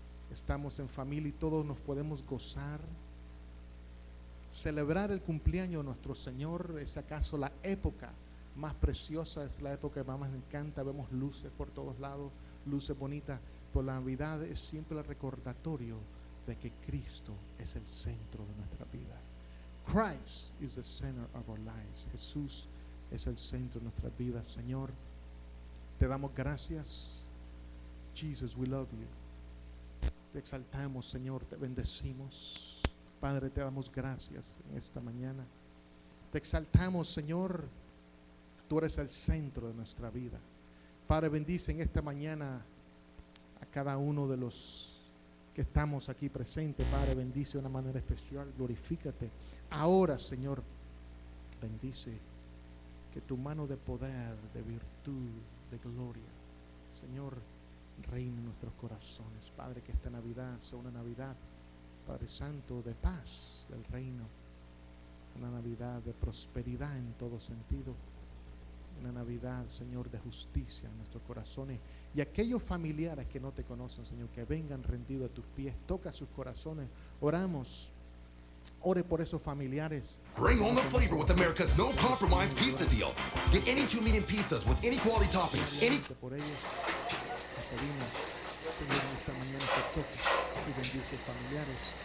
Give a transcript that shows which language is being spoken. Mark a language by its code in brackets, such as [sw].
[es] Estamos en familia y todos nos podemos gozar. Celebrar el cumpleaños de nuestro Señor es acaso la época más preciosa, es la época que más nos encanta. Vemos luces por todos lados, luces bonitas. Pero la Navidad es siempre el recordatorio de que Cristo es el centro de nuestra vida. [en] Christ is the center of our lives. [es] Jesús es el centro de nuestra vida, Señor. Te damos gracias. [en] Jesus, we love you. [es] Te exaltamos, Señor, te bendecimos. Padre, te damos gracias en esta mañana. Te exaltamos, Señor, tú eres el centro de nuestra vida. Padre, bendice en esta mañana a cada uno de los que estamos aquí presentes. Padre, bendice de una manera especial, glorifícate. Ahora, Señor, bendice que tu mano de poder, de virtud, de gloria, Señor, reine en nuestros corazones. Padre, que esta Navidad sea una Navidad, Padre Santo, de paz del reino, una Navidad de prosperidad en todo sentido, una Navidad, Señor, de justicia en nuestros corazones. Y aquellos familiares que no te conocen, Señor, que vengan rendidos a tus pies, toca sus corazones. Oramos. Ore por esos familiares. [en] Bring home the flavor with America's no compromise pizza deal. Get any two medium pizzas with any quality toppings. [es] Por ellos, te pedimos, Señor, en esta mañana que toque y bendice familiares.